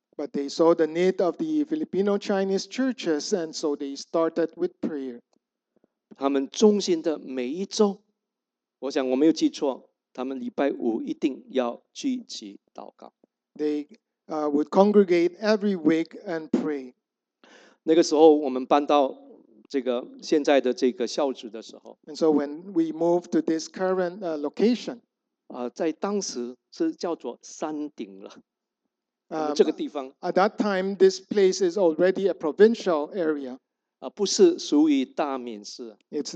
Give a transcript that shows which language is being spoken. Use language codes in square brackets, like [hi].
[en] But they saw the need of the Filipino Chinese churches, and so they started with prayer. [zh] 他们衷心的每一周，我想我没有记错。他们礼拜五一定要聚集祷告。 [en] They would congregate every week and pray. [zh] 那个时候，我们搬到这个现在的这个校址的时候。 [en] And so when we moved to this current location, [zh] 在当时是叫做山顶了。这个地方。 [en] At that time, this place is already a provincial area. [zh] 不是属于大明市。 [en] It's